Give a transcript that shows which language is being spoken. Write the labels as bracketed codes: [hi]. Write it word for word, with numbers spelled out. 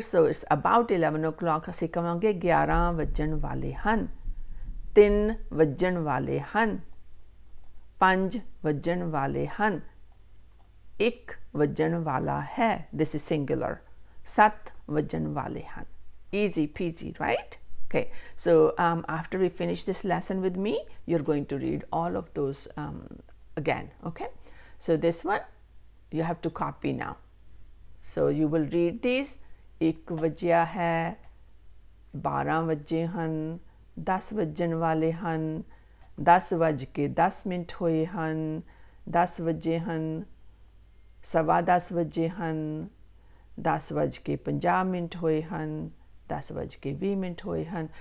[en] So it's about eleven o'clock. [pa] ਅਸੀਂ ਕਹਾਂਗੇ ਗਿਆਰਾਂ ਵੱਜਣ ਵਾਲੇ ਹਨ, ਤਿੰਨ ਵੱਜਣ ਵਾਲੇ ਹਨ, ਪੰਜ ਵੱਜਣ ਵਾਲੇ ਹਨ, ਇੱਕ ਵੱਜਣ ਵਾਲਾ ਹੈ, [en] this is singular, [pa] ਸੱਤ ਵੱਜਣ ਵਾਲੇ ਹਨ। [en] Easy peasy, right? Okay, so um, after we finish this lesson with me, you're going to read all of those um, again, okay? So this one, you have to copy now. So you will read these, [pa] ਇੱਕ ਵਜਿਆ ਹੈ, ਬਾਰਾਂ ਵਜੇ ਹਨ, ਦਸ ਵੱਜਣ ਵਾਲੇ ਹਨ, ਦਸ ਵੱਜ ਕੇ ਦਸ ਮਿੰਟ ਹੋਏ ਹਨ, ਦਸ ਵਜੇ ਹਨ, ਸਵਾ ਦਸ ਵਜੇ ਹਨ, ਦਸ ਵੱਜ ਕੇ ਪੰਜਾਹ ਮਿੰਟ ਹੋਏ ਹਨ, ਦਸ ਵੱਜ ਕੇ ਵੀਹ ਮਿੰਟ ਹੋਏ ਹਨ।